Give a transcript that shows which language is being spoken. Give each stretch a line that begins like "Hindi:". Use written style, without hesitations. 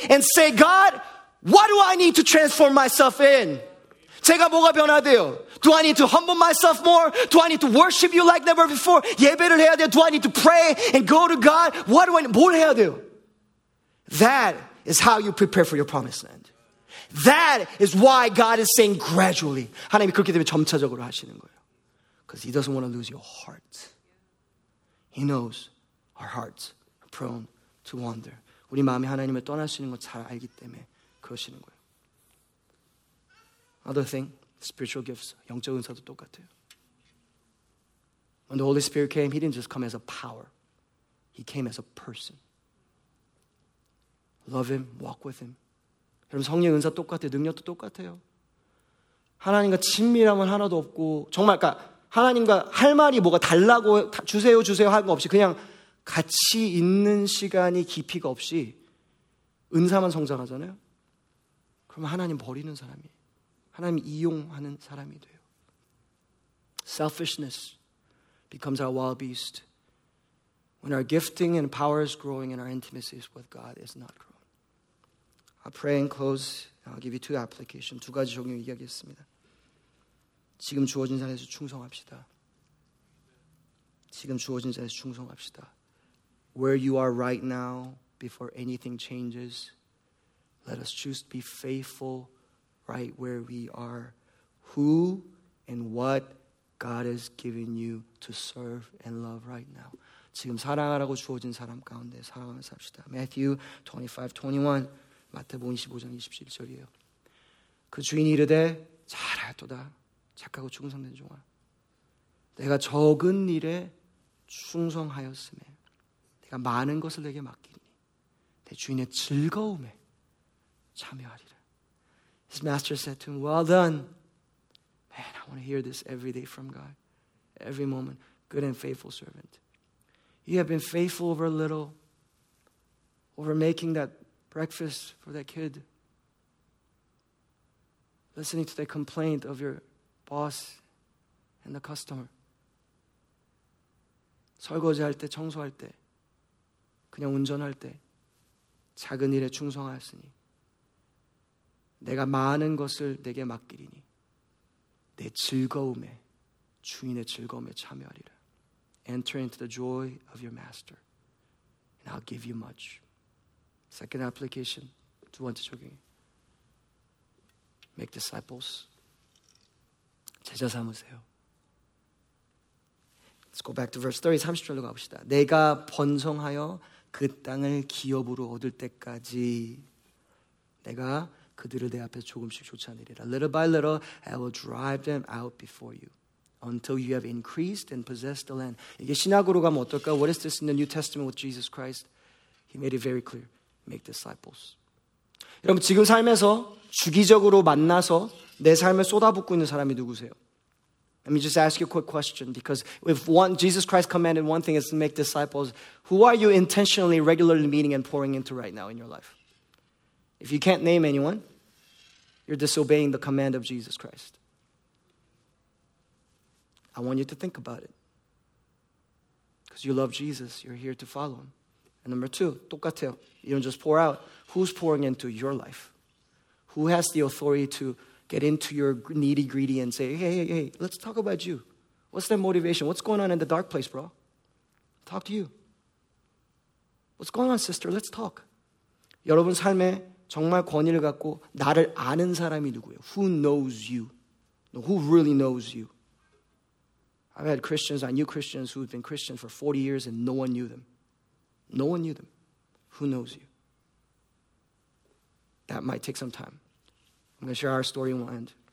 English: And say, God, what do I need to transform myself in?
Korean: 제가 뭐가 변화돼요?
English: Do I need to humble myself more? Do I need to worship you like never before?
Korean: 예배를 해야 돼요?
English: Do I need to pray and go to God? What do I need?
Korean: 뭘 해야 돼요?
English: That is how you prepare for your promised land. That is why God is saying gradually.
Korean: 하나님이 그렇게 되면 점차적으로 하시는 거예요.
English: Because he doesn't want to lose your heart. He knows our hearts are prone to wander.
Korean: 우리 마음이 하나님을 떠날 수 있는 걸 잘 알기 때문에 그러시는 거예요.
English: Other thing, spiritual gifts.
Korean: 영적 은사도 똑같아요.
English: When the Holy Spirit came, he didn't just come as a power. He came as a person. Love him, walk with him.
Korean: 여러분 성령 은사 똑같아요. 능력도 똑같아요. 하나님과 친밀함은 하나도 없고 정말 그러니까 하나님과 할 말이 뭐가 달라고 주세요 주세요 하는 거 없이 그냥 같이 있는 시간이 깊이가 없이 은사만 성장하잖아요. 그러면 하나님 버리는 사람이에요. 하나님 이용하는 사람이 돼요.
English: Selfishness becomes our wild beast when our gifting and power is growing and our intimacy with God is not growing. I pray and close. I'll give you two applications.
Korean: 두 가지 적용 이야기했습니다. 지금 주어진 자리에서 충성합시다. 지금 주어진 자리에서 충성합시다.
English: Where you are right now, before anything changes, let us choose to be faithful right where we are, who and what God has given you to serve and love right now.
Korean: 지금 사랑하라고 주어진 사람 가운데 사랑하면서 합시다. Matthew 25:21, 마태복음 25장 27절이에요. 그 주인이 이르되, 잘 알도다, 착하고 충성된 종아. 내가 적은 일에 충성하였음에, 내가 많은 것을 내게 맡기니, 내 주인의 즐거움에 참여하리라.
English: His master said to him, Well done. Man, I want to hear this every day from God. Every moment. Good and faithful servant. You have been faithful over a little. Over making that breakfast for that kid. Listening to the complaint of your boss and the customer.
Korean: 설거지 할 때, 청소할 때, 그냥 운전할 때, 작은 일에 충성하였으니. 내가 많은 것을 내게 맡기리니 내 즐거움에 주인의 즐거움에 참여하리라.
English: Enter into the joy of your master and I'll give you much. Second application,
Korean: 두 번째 적용.
English: Make disciples.
Korean: 제자 삼으세요.
English: Let's go back to verse 30,
Korean: 30절로 가봅시다. 내가 번성하여 그 땅을 기업으로 얻을 때까지 내가 그들을 내 앞에서 조금씩 쫓아내리라.
English: Little by little, I will drive them out before you. until you have increased and possessed the land. 이게 신학으로 가면 어떨까? What is this in the New Testament with Jesus Christ? He made it very clear. Make disciples.
Korean: 여러분 지금 삶에서 주기적으로 만나서 내 삶에 쏟아붓고 있는 사람이 누구세요?
English: Let me just ask you a quick question, because if one, Jesus Christ commanded one thing is to make disciples, who are you intentionally, regularly meeting and pouring into right now in your life? If you can't name anyone, you're disobeying the command of Jesus Christ. I want you to think about it. Because you love Jesus, you're here to follow him. And number two,
Korean: 똑같아요.
English: You don't just pour out. Who's pouring into your life? Who has the authority to get into your nitty-gritty and say, hey, let's talk about you. What's their motivation? What's going on in the dark place, bro? Talk to you. What's going on, sister? Let's talk.
Korean: 여러분 삶에 정말 권위를 갖고 나를 아는 사람이 누구예요?
English: Who knows you? Who really knows you? I've had Christians, I knew Christians who've been Christians for 40 years and no one knew them. No one knew them. Who knows you? That might take some time. I'm going to share our story and we'll end.